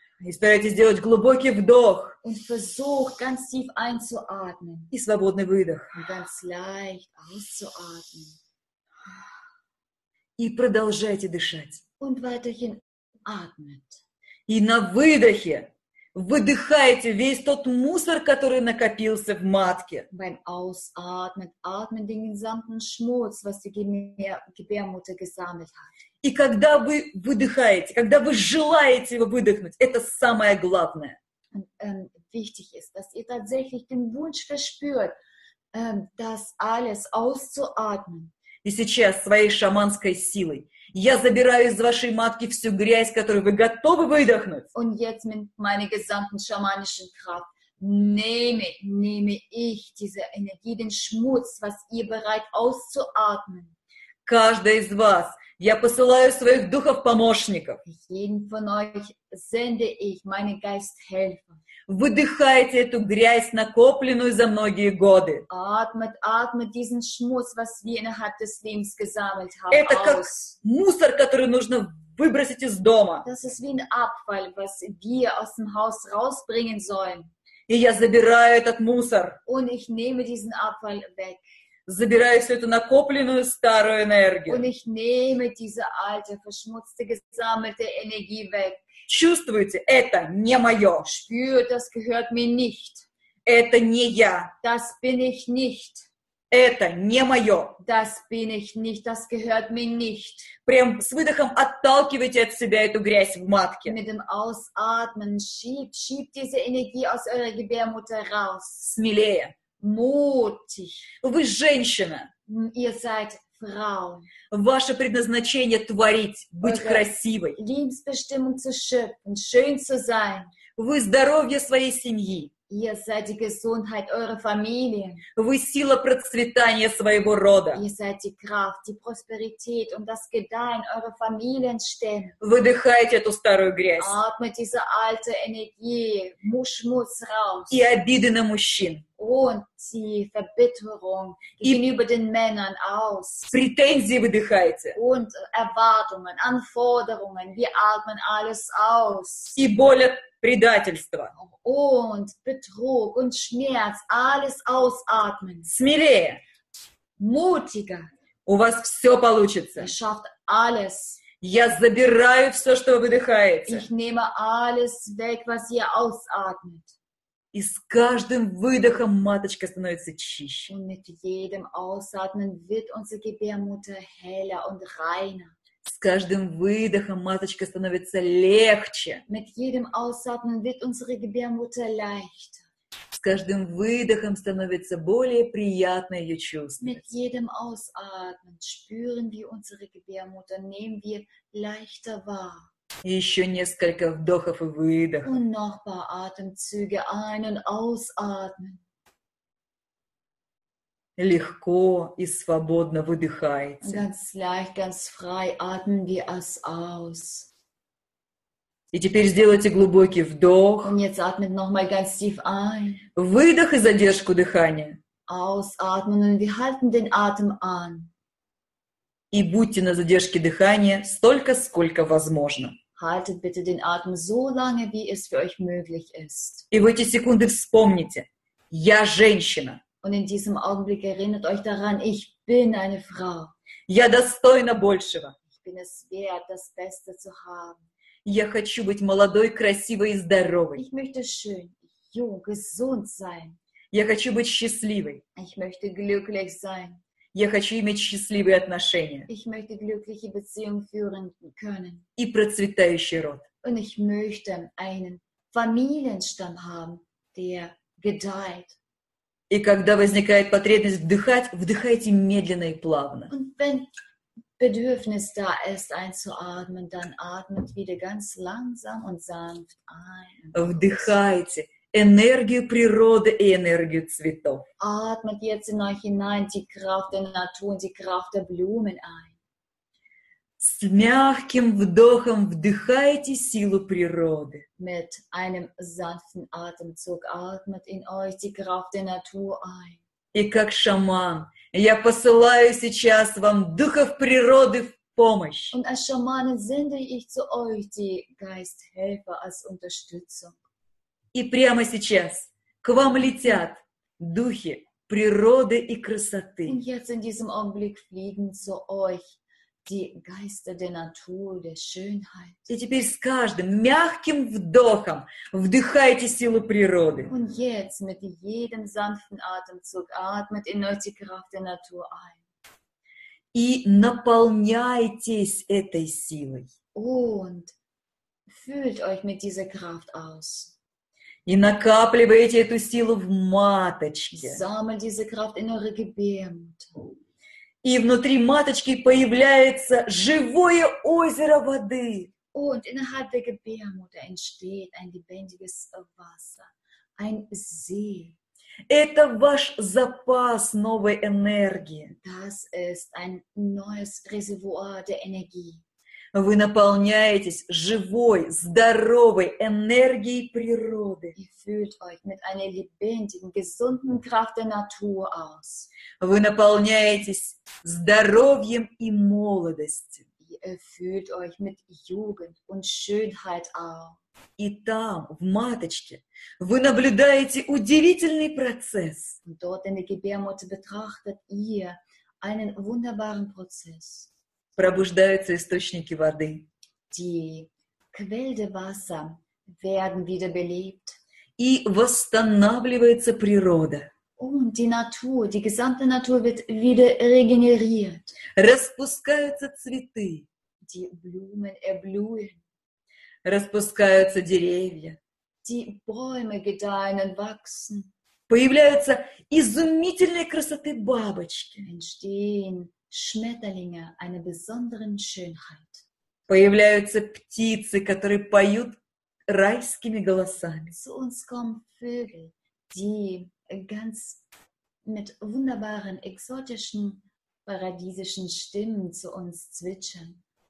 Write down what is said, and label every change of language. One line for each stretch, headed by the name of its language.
Russian: И старайтесь делать глубокий вдох.
German: Und versucht ganz tief einzuatmen.
Russian: И свободный выдох.
German: Und ganz leicht auszuatmen.
Russian: И продолжайте дышать.
German: Und weiterhin atmet.
Russian: И на выдохе выдыхайте весь тот мусор, который накопился в матке.
German: Beim Ausatmen atmet den gesamten Schmutz, was die Gebärmutter gesammelt hat.
Russian: И когда вы выдыхаете, когда вы желаете его выдохнуть, это самое главное.
German: Wichtig ist, dass ihr tatsächlich den Wunsch verspürt, das alles auszuatmen.
Russian: И сейчас своей шаманской силой я забираю из вашей матки всю грязь, которую вы готовы выдохнуть.
German: Und jetzt mit meiner gesamten schamanischen Kraft nehme ich diese Energie, den Schmutz, was ihr bereit auszuatmen.
Russian: Каждая из вас, я посылаю своих духов-помощников.
German: Jeden von euch sende ich meine Geisthelfer.
Russian: Выдыхайте эту грязь, накопленную за многие годы.
German: Atmet diesen Schmutz, was wir innerhalb des Lebens gesammelt haben,
Russian: Это
German: aus.
Russian: Как мусор, который нужно выбросить из дома.
German: Das ist wie ein Abfall, was wir aus dem Haus rausbringen sollen.
Russian: И я забираю этот мусор.
German: Und ich nehme diesen Abfall weg.
Russian: Забираю всю эту накопленную старую энергию.
German: Und ich nehme diese alte, verschmutzte, gesammelte Energie weg.
Russian: Чувствуете, это не мое.
German: Spür, das gehört mir nicht.
Russian: Это не я.
German: Das bin ich nicht.
Russian: Это не мое.
German: Das bin ich nicht, das gehört mir nicht.
Russian: Прям с выдохом отталкивайте от себя эту грязь в матке.
German: Mit dem Ausatmen schieb diese Energie aus eurer Gebärmutter raus.
Russian: Смелее.
German: Mutig.
Russian: Вы женщина.
German: Ihr seid Frau.
Russian: Ваше предназначение творить, быть okay. красивой.
German: Lebensbestimmung zu schöpfen, schön zu sein.
Russian: Вы здоровье своей семьи.
German: Ihr seid die Gesundheit eurer Familie.
Russian: Вы сила процветания своего рода.
German: Ihr seid die Kraft, die Prosperität und das Gedeihen eurer Familienstände.
Russian: Выдыхайте эту старую грязь.
German: Atmet diese alte Energie, Schmutz raus.
Russian: И обиды на мужчин.
German: Und die Verbitterung gegenüber den Männern aus.
Russian: Претензии выдыхайте.
German: Und Erwartungen, Anforderungen, wir atmen alles aus.
Russian: И боль от предательства.
German: Und Betrug und Schmerz, alles ausatmen.
Russian: Смелее.
German: Mutiger.
Russian: У вас все получится.
German: Ihr schafft alles.
Russian: Я забираю все, что вы выдыхаете.
German: Ich nehme alles weg, was ihr ausatmet.
Russian: И с каждым выдохом маточка становится чище.
German: Und mit jedem Ausatmen wird unsere Gebärmutter heller und reiner.
Russian: С каждым выдохом маточка становится легче.
German: Mit jedem Ausatmen wird unsere Gebärmutter leichter.
Russian: С каждым выдохом становится более приятно ее чувствовать.
German: Mit jedem Ausatmen spüren wir unsere Gebärmutter, nehmen wir leichter wahr.
Russian: Еще несколько вдохов и выдохов.
German: Und noch ein paar Atemzüge ein- und ausatmen.
Russian: Легко и свободно выдыхайте.
German: Ganz leicht, ganz frei atmen wir es aus.
Russian: И теперь сделайте глубокий вдох.
German: Und jetzt atmet noch mal ganz tief ein.
Russian: Выдох и задержку дыхания.
German: Ausatmen und wir halten den Atem an.
Russian: И будьте на задержке дыхания столько, сколько возможно.
German: Haltet bitte den Atem so lange, wie es für euch möglich ist.
Russian: И в эти секунды вспомните, Я женщина.
German: Und in diesem Augenblick erinnert euch daran, ich bin eine Frau.
Russian: Я достойна большего.
German: Ich bin es wert, das Beste zu haben.
Russian: Я хочу быть молодой, красивой и здоровой.
German: Ich möchte schön, jung, gesund sein.
Russian: Я хочу быть счастливой.
German: Ich möchte glücklich sein.
Russian: Я хочу иметь счастливые отношения.
German: Ich möchte glückliche Beziehung führen können.
Russian: И процветающий род.
German: Und ich möchte einen Familienstamm haben, der gedeiht.
Russian: И когда возникает потребность вдыхать, вдыхайте медленно и плавно.
German: Und wenn Bedürfnis da ist, einzuatmen, dann atmet wieder ganz langsam und sanft ein.
Russian: Вдыхайте энергию природы и энергию цветов.
German: Atmet jetzt in euch hinein die Kraft der Natur und die Kraft der Blumen ein.
Russian: С мягким вдохом вдыхайте силу природы.
German: Mit einem sanften Atemzug atmet in euch die Kraft der Natur ein.
Russian: И как шаман, я посылаю сейчас вам духов природы в помощь.
German: Und als Schamane sende ich zu euch die Geisthelfer als Unterstützung.
Russian: И прямо сейчас к вам летят духи природы и красоты.
German: Und jetzt in diesem Augenblick fliegen zu euch die Geister der Natur, der Schönheit.
Russian: И теперь с каждым мягким вдохом вдыхайте силу природы.
German: Und jetzt mit jedem sanften Atemzug atmet in euch die Kraft der Natur ein.
Russian: И наполняйтесь этой силой.
German: Und füllt euch mit dieser Kraft aus.
Russian: И накапливайте эту силу в маточке.
German: Sammelt diese Kraft in eure Gebärmutter.
Russian: И внутри маточки появляется живое озеро воды.
German: Und innerhalb der Gebärmutter entsteht ein lebendiges Wasser, ein See.
Russian: Это ваш запас новой энергии.
German: Das ist ein neues Reservoir der Energie.
Russian: Вы наполняетесь живой, здоровой энергией природы.
German: Ihr füllt euch mit einer lebendigen, gesunden Kraft der Natur aus.
Russian: Вы наполняетесь здоровьем и молодостью.
German: Ihr füllt euch mit Jugend und Schönheit aus.
Russian: И там, в маточке, вы наблюдаете удивительный процесс.
German: Und dort in der Gebärmutter betrachtet ihr einen wunderbaren Prozess.
Russian: Пробуждаются источники воды.
German: Die Quelle des Wassers werden wieder belebt.
Russian: И восстанавливается природа.
German: Und die Natur, die gesamte Natur wird wieder regeneriert.
Russian: Распускаются цветы.
German: Die Blumen erblühen.
Russian: Распускаются деревья.
German: Die Bäume gedeihen und wachsen.
Russian: Появляются изумительной красоты бабочки.
German: Entstehen Schmetterlinge einer besonderen Schönheit.
Russian: Появляются птицы, которые поют райскими голосами.
German: Zu uns kommen Vögel, die ganz mit wunderbaren, exotischen, paradiesischen Stimmen zu uns zwitschern.